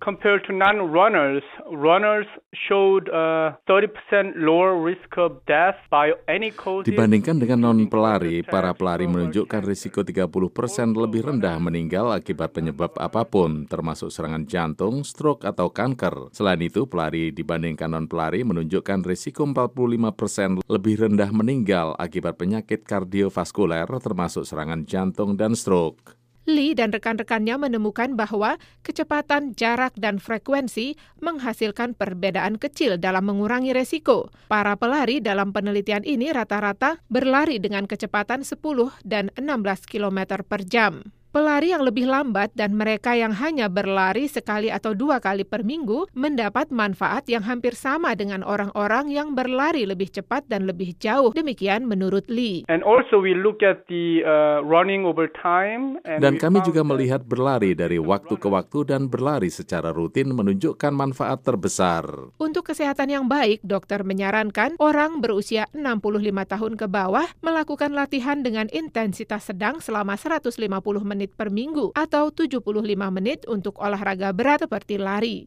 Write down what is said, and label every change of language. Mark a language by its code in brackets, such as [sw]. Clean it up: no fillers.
[en] Compared to non-runners, runners showed a 30% lower risk of death by any cause. [id] Dibandingkan dengan non-pelari, para pelari menunjukkan risiko 30% lebih rendah meninggal akibat penyebab apapun, termasuk serangan jantung, stroke, atau kanker. Selain itu, pelari dibandingkan non-pelari menunjukkan risiko 45% lebih rendah meninggal akibat penyakit kardiovaskuler, termasuk serangan jantung dan stroke. Lee dan rekan-rekannya menemukan bahwa kecepatan, jarak, dan frekuensi menghasilkan perbedaan kecil dalam mengurangi resiko. Para pelari dalam penelitian ini rata-rata berlari dengan kecepatan 10 dan 16 km per jam. Pelari yang lebih lambat dan mereka yang hanya berlari sekali atau dua kali per minggu mendapat manfaat yang hampir sama dengan orang-orang yang berlari lebih cepat dan lebih jauh. Demikian menurut Lee. [en] And also we look at the running over time. [id] Dan kami juga melihat berlari dari waktu ke waktu dan berlari secara rutin menunjukkan manfaat terbesar. Untuk kesehatan yang baik, dokter menyarankan orang berusia 65 tahun ke bawah melakukan latihan dengan intensitas sedang selama 150 menit per minggu atau 75 menit untuk olahraga berat seperti lari.